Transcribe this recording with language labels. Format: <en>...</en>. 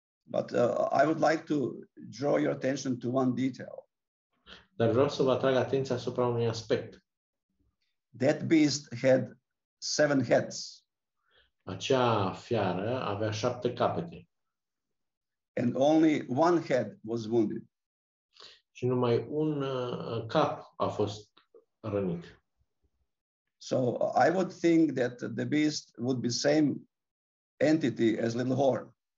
<en>But I would like to draw your attention to one detail.</en> <ro>Dar vreau să vă atrag atenția asupra unui aspect.</ro> <en>That beast had seven heads.</en> <ro>Acea fiară avea șapte capete.</ro> <en>And only one head was wounded.</en> <ro>Și numai un cap a fost rănit.</ro> <en>So I would think that the beast would be same entity as Little Horn.</en>